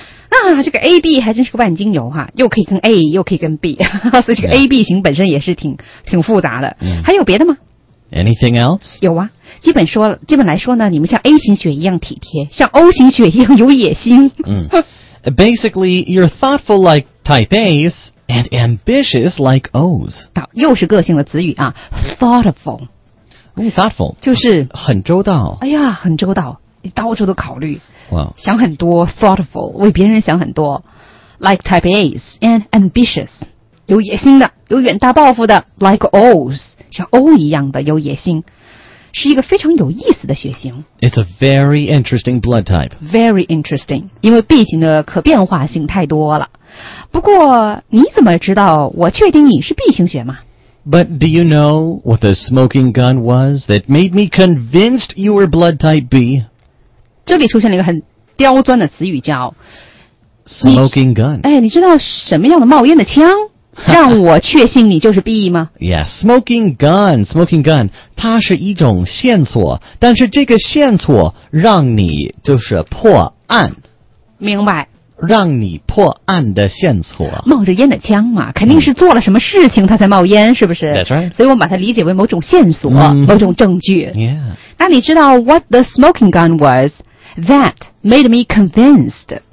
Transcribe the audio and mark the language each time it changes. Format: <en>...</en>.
<zh>那、这个 AB 还真是个万金油哈，又可以跟 A， 又可以跟 B， 所以这个 AB 型本身也是挺复杂的。还有别的吗？</zh> <en>Anything else?</en> <zh>有啊，基本来说呢，你们像 A 型血一样体贴，像 O 型血一样有野心。</zh> <en>Basically, you're thoughtful like type A's and ambitious like O's.</en> <zh>又是个性的词语啊 ，thoughtful.</zh> <en>Thoughtful</en> <zh>就是很周到。哎呀，很周到，到处都考虑，</zh> <en>wow.</en> <zh>想很多 ，thoughtful 为别人想很多 ，</zh> <en>like type A's and ambitious</en> <zh>有野心的，有远大抱负的 ，</zh> <en>like O's.</en> <zh>像欧一样的有野心，是一个非常有意思的血型。</zh> <en>It's a very interesting blood type. Very interesting.</en> <zh>因为 B 型的可变化性太多了。不过你怎么知道我确定你是 B 型血吗？</zh> <en>But do you know what the smoking gun was that made me convinced you were blood type B?</en> <zh>这里出现了一个很刁钻的词语叫</zh> <en>smoking gun.</en> <zh>哎，你知道什么样的冒烟的枪？让我确信你就是 B 吗？ Yes, smoking gun, 它是一种线索，但是这个线索让你就是破案。明白。让你破案的线索，冒着烟的枪嘛，肯定是做了什么事情他才冒烟，是不是？</zh> <en>That's right.</en> <zh>所以我们把它理解为某种线索、某种证据。</zh> <en>Yeah.</en> <zh>那你知道</zh> <en>what the smoking gun was that made me convinced?</en>